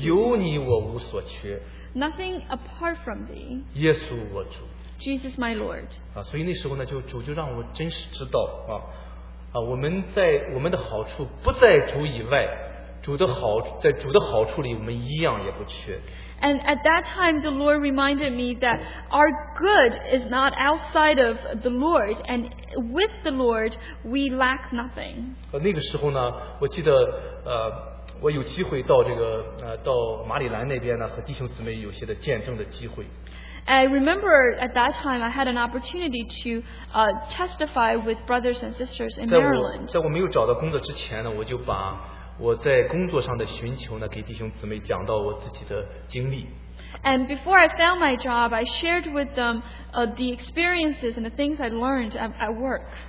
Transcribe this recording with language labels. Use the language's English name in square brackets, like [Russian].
[Chinese] 有你我无所缺 [English] Nothing apart from thee [Chinese] 耶稣我主 [English] Jesus my Lord. [Chinese] 所以那时候呢，就主就让我真实知道啊，我们在我们的好处不在主以外，在主的好处里我们一样也不缺。 [English] And at that time, the Lord reminded me that our good is not outside of the Lord, and with the Lord, we lack nothing. [Chinese] 那个时候呢，我记得，我有机会到马里兰那边呢，和弟兄姊妹有些的见证的机会。 [English] I remember at that time I had an opportunity to testify with brothers and sisters in Maryland. [Chinese] 在我没有找到工作之前呢，我就把我在工作上的寻求呢，给弟兄姊妹讲到我自己的经历。 [English] And before I found my job, I shared with them the experiences and the things I learned at work.